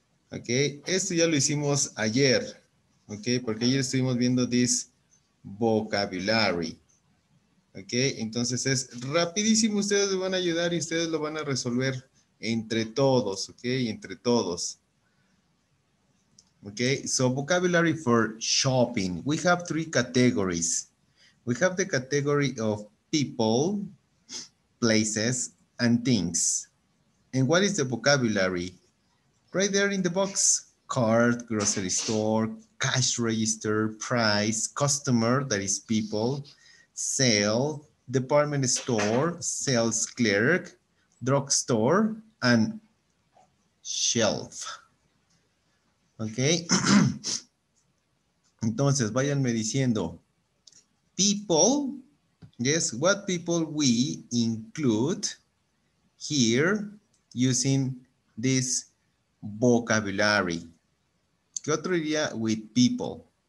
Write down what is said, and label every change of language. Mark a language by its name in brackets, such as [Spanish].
[Spanish] Ok, esto ya lo hicimos ayer. Ok, porque ayer estuvimos viendo [English] this vocabulary. [Spanish] Ok, entonces es rapidísimo, ustedes me van a ayudar y ustedes lo van a resolver entre todos, ok, entre todos. [English] Ok, so vocabulary for shopping, we have three categories. We have the category of people, places, and things. And what is the vocabulary? Right there in the box, cart, grocery store, cash register, price, customer, that is people, sale, department store, sales clerk, drugstore, and shelf. Ok. [Spanish] Entonces, váyanme diciendo. [English] People. Yes, what people we include here using this vocabulary. [Spanish] ¿Qué otro diría [English] with people?